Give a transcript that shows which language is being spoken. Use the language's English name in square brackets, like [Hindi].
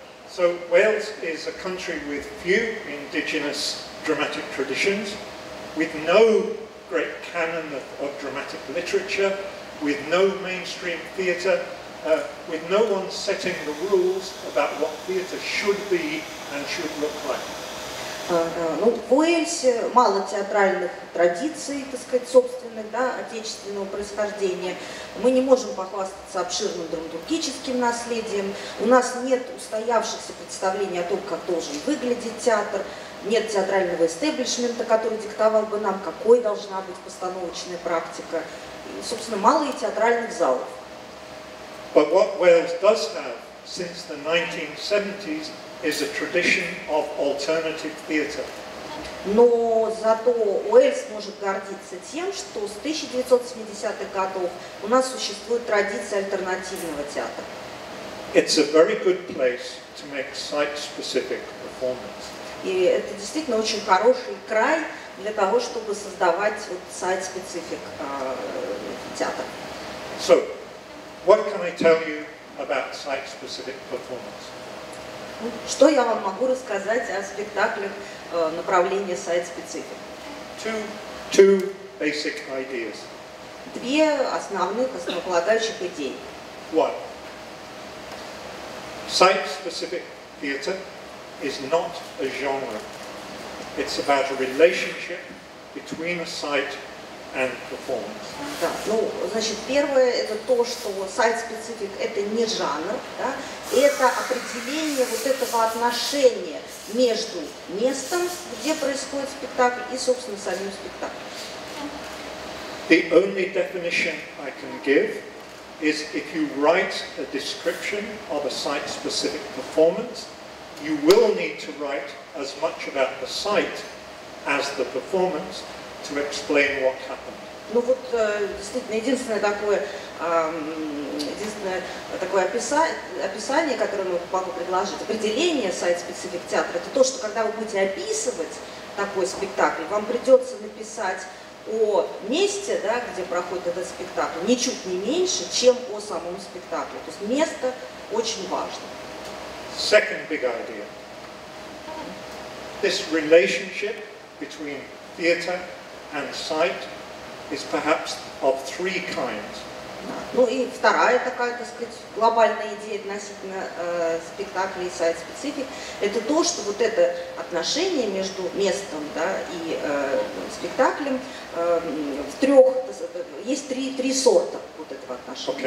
[English] So Wales is a country with few indigenous dramatic traditions, with no great canon of dramatic literature, with no mainstream theatre, with no one setting the rules about what theatre should be and should look like. [Russian] Ну, в Уэльсе мало театральных традиций, так сказать, собственных, да, отечественного происхождения. Мы не можем похвастаться обширным драматургическим наследием. У нас нет устоявшихся представлений о том, как должен выглядеть театр. Нет театрального эстеблишмента, который диктовал бы нам, какой должна быть постановочная практика. И, собственно, мало и театральных залов. [English] But what Wales does have since the 1970s is a tradition of alternative theatre. [Russian] Но зато Уэльс может гордиться тем, что с 1970-х годов у нас существует традиция альтернативного театра. [English] It's a very good place to make site-specific performance. [Russian] И это действительно очень хороший край для того, чтобы создавать вот сайт-специфик театра. [English] So, what can I tell you about site-specific performance? [Russian] Что я вам могу рассказать о спектаклях направления сайт-специфик? [English] Two basic ideas. [Russian] Две основных, основополагающих идей. [English] One. Site-specific theatre is not a genre. It's about a relationship between a site and performance. [Russian] Да, ну, значит, первое – это то, что site-specific – это не жанр, да? Это определение вот этого отношения между местом, где происходит спектакль, и, собственно, самим спектаклем. [English] The only definition I can give is if you write a description of a site-specific performance, you will need to write as much about the site as the performance to explain what happened. [Russian] Ну вот, действительно, единственное такое описание, которое я могу предложить, определение сайт-специфик театра, это то, что когда вы будете описывать такой спектакль, вам придется написать о месте, да, где проходит этот спектакль, ничуть не меньше, чем о самом спектакле. То есть место очень важно. [English] Second big idea. This relationship between theater and site is perhaps of three kinds. [Russian] Ну и вторая такая, так сказать, глобальная идея относительно спектакля и сайт-специфик, это то, что вот это отношение между местом, да, и спектаклем в трех, есть три сорта вот этого отношения.